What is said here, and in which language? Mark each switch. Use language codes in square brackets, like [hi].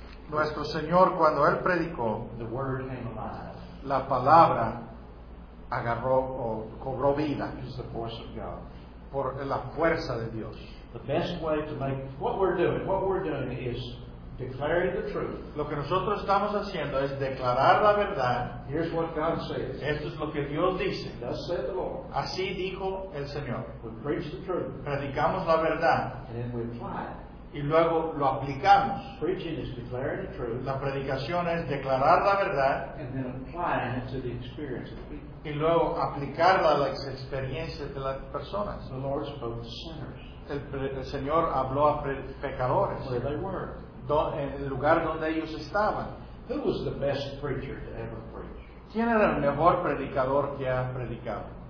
[es] nuestro Señor cuando él predicó, [en] the word came alive. [es] La palabra agarró o cobró vida. [en] It's the force of God. [es] Por la fuerza de Dios. [en] The best way to make what we're doing is declaring the truth. [es] Lo que nosotros estamos haciendo es declarar la verdad. [en] Here's what God says. [es] Esto es lo que Dios dice. [en] Thus said the Lord. [es] Así dijo el Señor. [en] We preach the truth. [es] Predicamos la verdad. [en] And then we apply it. [es] Y luego lo aplicamos. [en] Preaching is declaring the truth. [es] La predicación es declarar la verdad. [en] And then applying it to the experience of the people. [es] Y luego aplicarla a las experiencias de las personas. [en] The Lord spoke to sinners. [es] El Señor habló a pecadores. [en] Where they were. [es] En el lugar donde ellos estaban. [en] Who was the best preacher to ever preach? [es] ¿Quién era el mejor predicador que ha predicado?